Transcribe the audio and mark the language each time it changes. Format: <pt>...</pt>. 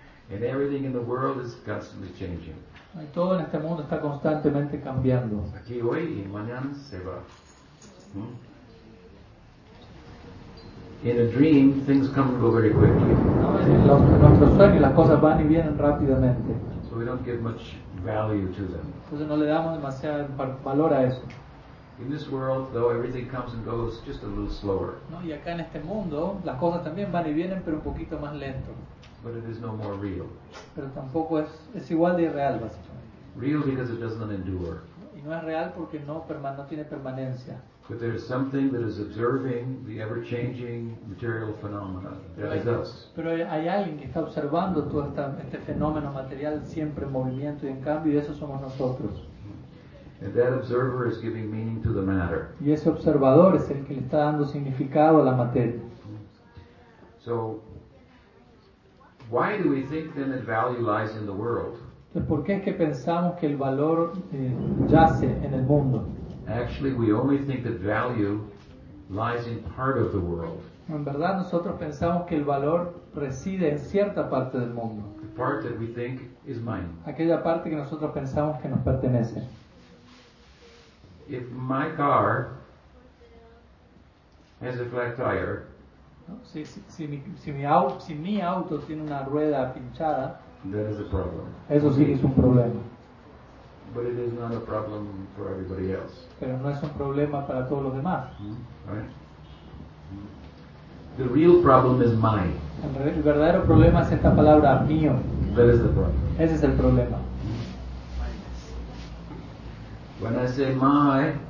<en>And everything in the world is constantly changing.</en> <es>Y todo en este mundo está constantemente cambiando. Aquí hoy y mañana se va.</es> <en>In a dream, things come and go very quickly.</en> <es>Nuestros sueños, las cosas van y vienen rápidamente.</es> <en>So we don't give much value to them.</en> <es>Entonces no le damos demasiado valor a eso.</es> <en>In this world, though, everything comes and goes just a little slower.</en> <es>No, y acá en este mundo, las cosas también van y vienen, pero un poquito más lento.</es> <en>But it is no more real.</en> <es>Pero tampoco es igual de irreal, básicamente.</es> <en>Real because it does not endure.</en> <es>Y no es real porque no tiene permanencia.</es> <en>But there is something that is observing the ever-changing material phenomena. That is us.</en> <es>Pero hay alguien que está observando todo este fenómeno material siempre en movimiento y en cambio, y eso somos nosotros.</es> <en>And that observer is giving meaning to the matter.</en> <es>Y ese observador es el que le está dando significado a la materia.</es> <en>So, why do we think then that value lies in the world?</en> <es>Entonces, ¿por qué es que pensamos que el valor yace en el mundo?</es> <en>Actually, we only think that value lies in part of the world.</en> <es>En verdad, nosotros pensamos que el valor reside en cierta parte del mundo.</es> <en>The part that we think is mine.</en> <es>Aquella parte que nosotros pensamos que nos pertenece.</es> <en>If my car has a flat tire,</en> <es>si mi auto tiene una rueda pinchada,</es> <en>that is a problem.</en> <es>Eso sí que es un problema.</es> <en>But it is not a problem for everybody else.</en> <es>Pero no es un problema para todos los demás.</es> <en>The real problem is mine.</en> <es>El verdadero problema es esta palabra mío.</es> <en>That is the problem.</en> <es>Ese es el problema.</es> <en>When I say my,</en>